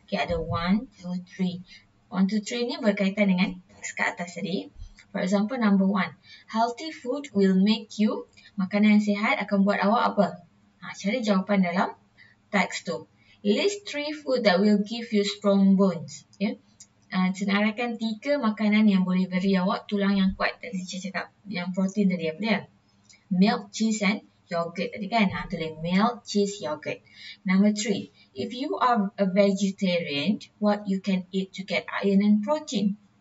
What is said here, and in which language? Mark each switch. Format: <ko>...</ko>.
<ms>Okay, ada 1, 2, 3. 1, 2, 3 ni berkaitan dengan teks kat atas tadi.</ms> <en>For example, number 1. Healthy food will make you,</en> <ms>makanan yang sihat akan buat awak apa? Ha, cari jawapan dalam teks tu.</ms> <en>List 3 food that will give you strong bones. Okay.</en> <ms>Senaraikan 3 makanan yang boleh beri awak tulang yang kuat. Tadi saya cakap yang protein tadi apa dia?</ms> <en>Milk, cheese and yogurt</en> <ms>tadi kan? Ha, tulis</ms> <en>milk, cheese, yogurt. Number 3. If you are a vegetarian, what you can eat to get iron and protein?</en>